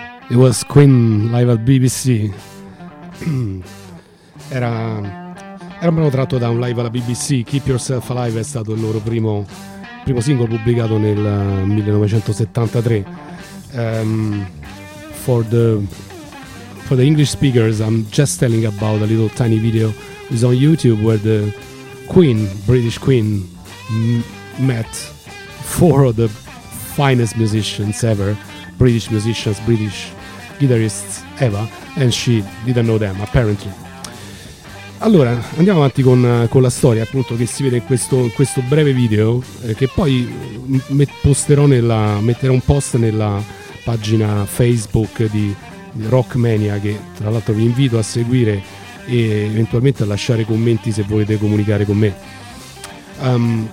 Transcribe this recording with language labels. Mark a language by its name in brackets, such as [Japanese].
[English] It was Queen live at BBC. [Italian] Era un brano tratto da un live alla BBC. Keep Yourself Alive è stato il loro primo singolo pubblicato nel 1973. [English] For the English speakers, I'm just telling about a little tiny video is on YouTube where the Queen, British Queen, met four of the finest musicians ever, British musicians, British guitarists ever, and she didn't know them, apparently. [Italian] Allora, andiamo avanti con la storia, appunto, che si vede in questo breve video, che poi metterò un post nella pagina Facebook di Rockmania, che tra l'altro vi invito a seguire e eventualmente a lasciare commenti se volete comunicare con me.